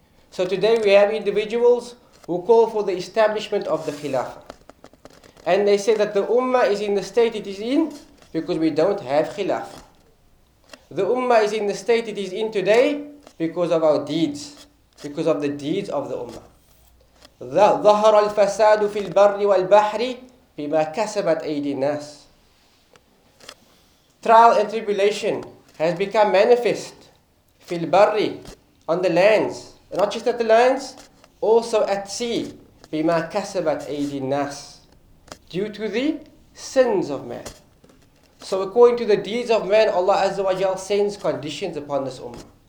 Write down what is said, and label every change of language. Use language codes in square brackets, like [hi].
[en] So today we have individuals who call for the establishment of the Khilafah. And they say that the Ummah is in the state it is in because we don't have Khilafah. The Ummah is in the state it is in today because of our deeds, because of the deeds of the Ummah. [ar] ظهر الفساد في البر والبحر بما كسبت أيدي الناس. [en] Trial and tribulation has become manifest [ar] في البر, [en] on the lands. Not just at the lands, also at sea. [ar] بِمَا كَسَبَتْ أَيْدِ النَّاسِ. [en] Due to the sins of man. So according to the deeds of man, Allah Azza wa Jal sends conditions upon this ummah.